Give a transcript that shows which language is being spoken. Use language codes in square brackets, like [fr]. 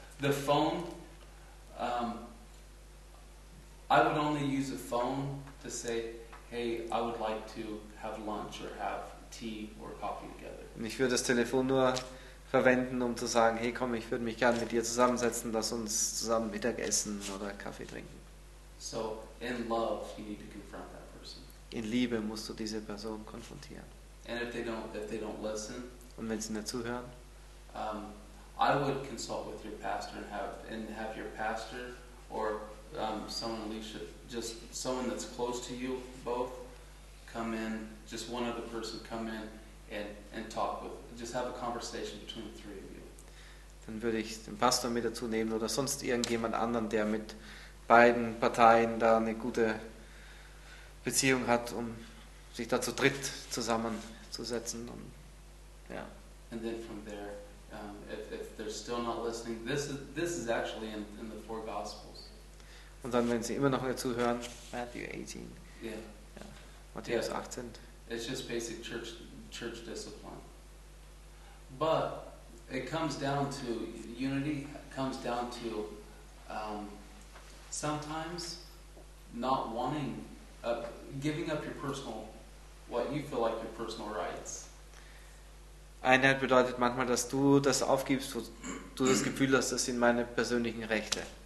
[en] The phone, I would only use a phone to say, hey, I would like to have lunch or have tea or coffee together. [de] Und ich würde das Telefon nur verwenden, um zu sagen, hey, komm, ich würde mich gerne mit dir zusammensetzen, lass uns zusammen Mittagessen oder Kaffee trinken. [en] So, in love, you need to confront that person. [de] In Liebe musst du diese Person konfrontieren. [en] And if they don't listen, [de] und wenn sie nicht zuhören, [en] I would consult with your pastor and have your pastor or someone, Alicia, just someone that's close to you both, come in, just one other person come in and talk with, just have a conversation between the three of you. [de] Dann würde ich den Pastor mit dazu nehmen oder sonst irgendjemand anderen, der mit beiden Parteien da eine gute Beziehung hat, um sich da zu dritt zusammenzusetzen. Und, ja. [en] And then from there, if they're still not listening, this is actually in the four Gospels. [de] Und dann, wenn sie immer noch nicht zuhören, Matthew 18. Yeah. Ja. Matthäus 18. [en] It's just basic church discipline. But it comes down to unity, comes down to sometimes not wanting, giving up your personal, what you feel like your personal rights. [de] Einheit bedeutet manchmal, dass du das aufgibst, wo du das Gefühl hast, das sind meine persönlichen Rechte.